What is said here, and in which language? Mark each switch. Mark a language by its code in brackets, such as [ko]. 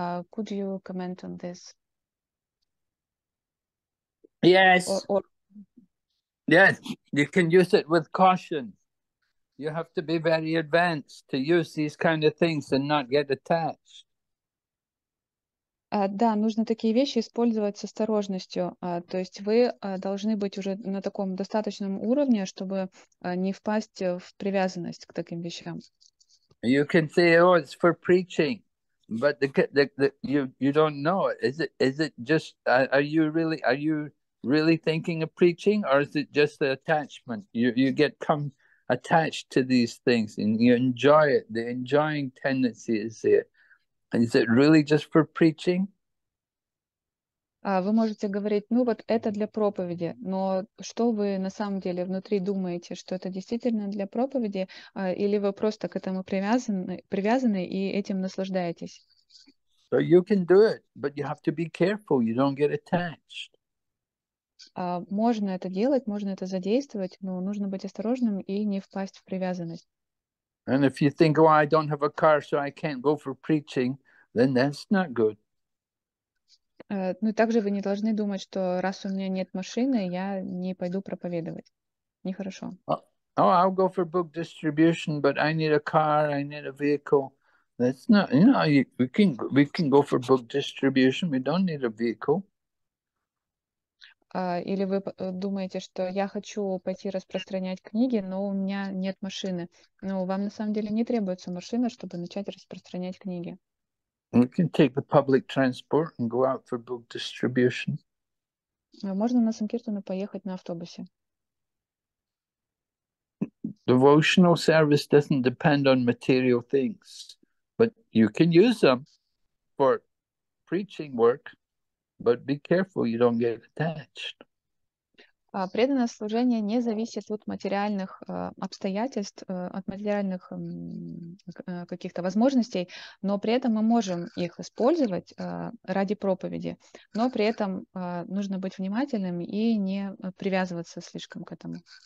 [en] Could you comment on this? Yes. Yes, you can use it with caution. You have to be very advanced to use these kind of things and not get attached. [ru] Да, нужно такие вещи использовать с осторожностью. То есть вы должны быть уже на таком достаточном уровне, чтобы не впасть в привязанность к таким вещам. [en] You can say, oh, it's for preaching, but you don't know. Is it just, are you really thinking of preaching, or is it just the attachment? You get attached to these things and you enjoy it. The enjoying tendency is there. Is it really just for preaching? [ru] Вы можете говорить, ну вот это для проповеди, но что вы на самом деле внутри думаете, что это действительно для проповеди, или вы просто к этому привязаны и этим наслаждаетесь? [en] So you can do it, but you have to be careful, you don't get attached. [ru] Можно это делать, можно это задействовать, но нужно быть осторожным и не впасть в привязанность. [en] And if you think, oh, I don't have a car, so I can't go for preaching, then that's not good. [ru] Ну, также вы не должны думать, что раз у меня нет машины, я не пойду проповедовать. Нехорошо. [en] Oh, I'll go for book distribution, but I need a car, I need a vehicle. That's not, you know, we can go for book distribution, we don't need a vehicle. [ru] Или вы думаете, что я хочу пойти распространять книги, но у меня нет машины. Но вам на самом деле не требуется машина, чтобы начать распространять книги. [en] You can take the public transport and go out for book distribution. [ru] Можно на Санкиртану поехать на автобусе. [en] Devotional service doesn't depend on material things, but you can use them for preaching work. But be careful, you don't get attached. [ru] Преданное служение не зависит от материальных обстоятельств, от материальных каких-то возможностей, но при этом мы можем их использовать ради проповеди. Но при этом нужно быть внимательным и не привязываться слишком к этому.